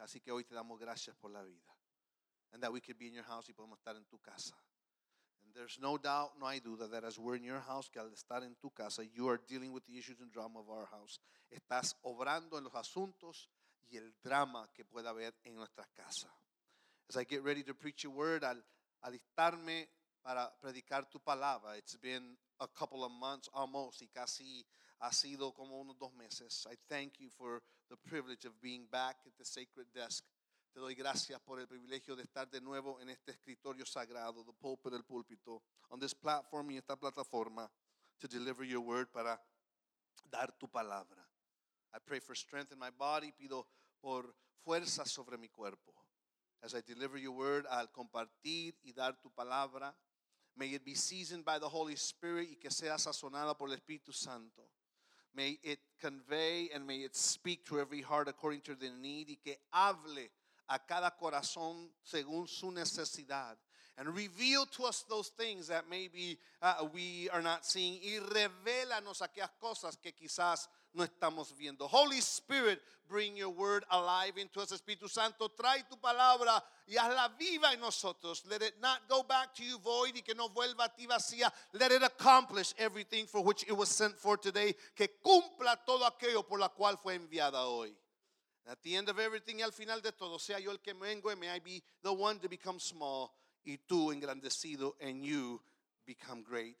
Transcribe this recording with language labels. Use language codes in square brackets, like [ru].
[es] Así que hoy te damos gracias por la vida. [en] And that we could be in your house [es] y podemos estar en tu casa. [en] And there's no doubt, [es] no hay duda, [en] that as we're in your house, [es] que al estar en tu casa, [en] you are dealing with the issues and drama of our house. [es] Estás obrando en los asuntos y el drama que pueda haber en nuestra casa. [en] As I get ready to preach your word, [es] al alistarme para predicar tu palabra, [en] it's been a couple of months almost, [es] y casi ha sido como unos dos meses. [en] I thank you for the privilege of being back at the sacred desk. [es] Te doy gracias por el privilegio de estar de nuevo en este escritorio sagrado, [en] the pulpit, [es] el púlpito, [en] on this platform, [es] y esta plataforma, [en] to deliver your word, [es] para dar tu palabra. [en] I pray for strength in my body, [es] pido por fuerza sobre mi cuerpo. [en] As I deliver your word, [es] al compartir y dar tu palabra, [en] may it be seasoned by the Holy Spirit, [es] y que sea sazonada por el Espíritu Santo. [en] May it convey and may it speak to every heart according to their need, [es] y que hable a cada corazón según su necesidad. [en] And reveal to us those things that maybe we are not seeing. [es] Y revélanos aquellas cosas que quizás no estamos viendo. [en] Holy Spirit, bring your word alive into us. [es] Espíritu Santo, trae tu palabra y hazla viva en nosotros. [en] Let it not go back to you void, [es] y que no vuelva a ti vacía. [en] Let it accomplish everything for which it was sent for today. [es] Que cumpla todo aquello por la cual fue enviada hoy. [en] At the end of everything, [es] y al final de todo, sea yo el que vengo, [en] y may I be the one to become small, [es] y tú engrandecido, [en] and you become great.